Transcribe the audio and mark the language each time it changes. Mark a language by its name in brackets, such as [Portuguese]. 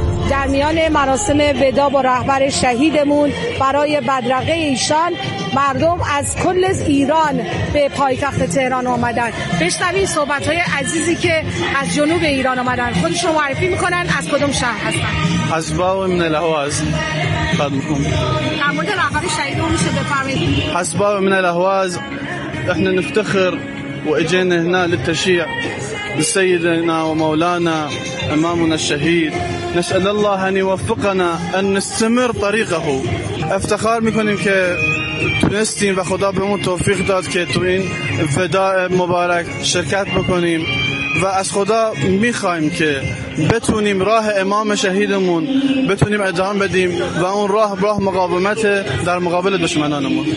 [Persian] در میان مراسم وداع با رهبر شهیدمون برای بدرقه ایشان، مردم از کل ایران به پایتخت تهران آمدن. بشنوید صحبت‌های عزیزی که از جنوب ایران آمدن. خودشون معرفی میکنن از کدوم شهر هستن. [Arabic] از باو من الهواز. [Persian] در مورد رهبر شهیدمون میشه بفرمایید؟ [Arabic] از باو من الهواز. احنا نفتخر واجينا هنا للتشيع بسيدنا ومولانا امامنا الشهيد. نسال الله ان يوفقنا ان نستمر طريقه. [Persian] افتخار میکنیم که تونستیم و خدا بهمون توفیق داد که تو این وداع مبارک شرکت بکنیم و از خدا میخوایم که بتونیم راه امام شهیدمون بتونیم ادامه بدیم و اون راه راه مقاومت در مقابل دشمنانمون.